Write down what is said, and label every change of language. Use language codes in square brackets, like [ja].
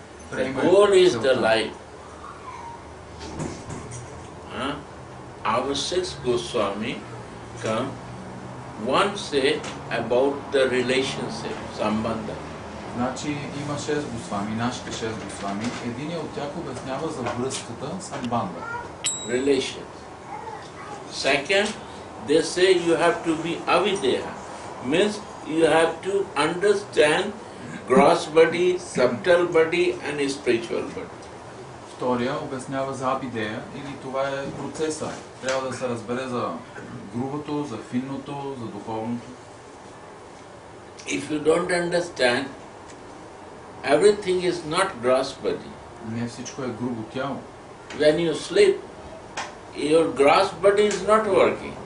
[en] The goal is the life. Our sixth Goswami come one say about the relationship, sambandha. [bg] Значи има шест госвами, нашите шест госвами. Единият от тях обяснява за връзката самбанда. [en] Relation. Second, they say you have to be avideha. Means you have to understand gross body, subtle body and spiritual body. [bg] Втория обяснява за абидея, или това е процеса. Трябва да се разбере за грубото, за финното, за духовното. [en] If you don't understand, everything is not gross body. [bg] Не всичко е грубо тяло. [en] When you sleep, your gross body is not working.